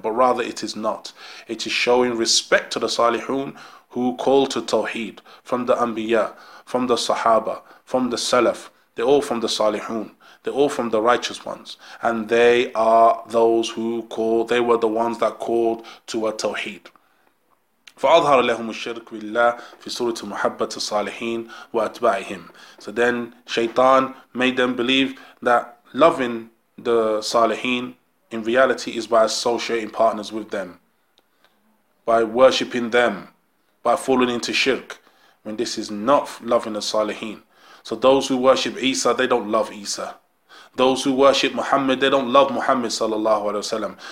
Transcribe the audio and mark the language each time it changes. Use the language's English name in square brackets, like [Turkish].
[English] But rather it is not. It is showing respect to the Salihun who call to Tawheed, from the Anbiya, from the Sahaba, from the Salaf. They're all from the Salihun. They're all from the righteous ones. And they are those who call, they were the ones that called to a Tawheed. [Arabic] فأظهر لهم الشرك بالله في سورة محبة الصالحين وأتباعهم. [English] So then Shaytan made them believe that loving the Salihin in reality is by associating partners with them, by worshipping them, by falling into shirk, when this is not loving the Salihin. So those who worship Isa, they don't love Isa. Those who worship Muhammad, they don't love Muhammad sallallahu alaihi wasallam.